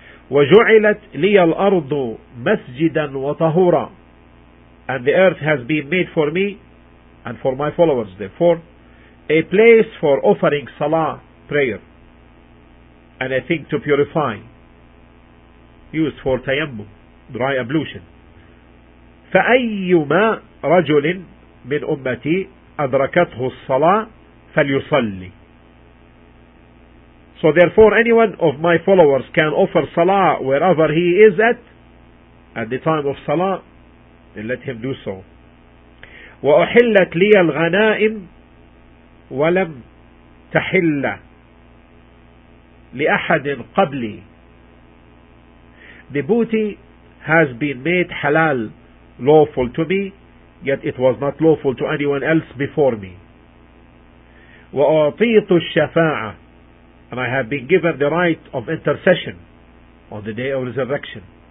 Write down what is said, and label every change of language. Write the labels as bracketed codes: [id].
[ar] وَجُعِلَتْ لِيَ الْأَرْضُ مَسْجِدًا وَطَهُورًا. [en] And the earth has been made for me and for my followers, therefore, a place for offering salah, prayer, and a thing to purify, used for tayammum, dry ablution. [ar] فَأَيُّمَا رَجُلٍ مِنْ أُمَّتِي أدركته الصلاة فليصلي. [en] So therefore anyone of my followers can offer salah wherever he is at the time of salah, then let him do so. [ar] وأحلت لي الغنائم ولم تحل لأحد قبلي. [en] The booty has been made halal, lawful to me, yet it was not lawful to anyone else before me. [ar] وَأَعْطِيتُ الشَّفَاعَةَ. [en] And I have been given the right of intercession on the day of resurrection.